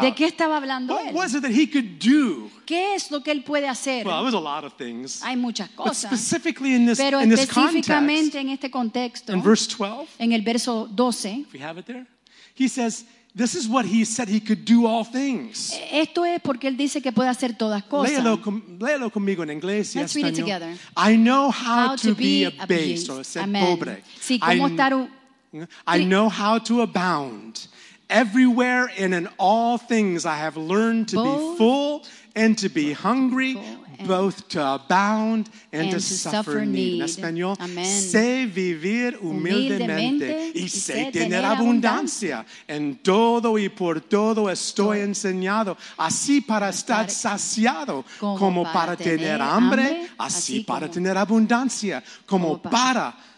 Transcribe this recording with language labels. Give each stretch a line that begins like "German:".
Spanish: ¿De qué estaba hablando
English: what
Spanish: él?
English: Was it that he could do?
Spanish: ¿Qué es lo que él puede hacer?
English: Well, it was a lot of things.
Spanish: Hay muchas cosas.
English: But specifically in this,
Spanish: pero
English: in this context,
Spanish: en este contexto,
English: in verse 12,
Spanish: en el verso 12,
English: if we have it there, he says, this is what he said he could do all things.
Spanish: Esto es porque él dice que puede hacer todas cosas. Léelo conmigo en inglés y
English: español. Let's read it together. I know how to be abased, or ser amen.
Spanish: Pobre. Sí, cómo estar
English: I know how to abound. Everywhere and in all things I have learned to be full and to be hungry, both to abound and to suffer need.
Spanish: En español, sé vivir humildemente y sé tener abundancia. En todo y por todo estoy enseñado, así para estar saciado como para tener hambre, así para tener abundancia, como para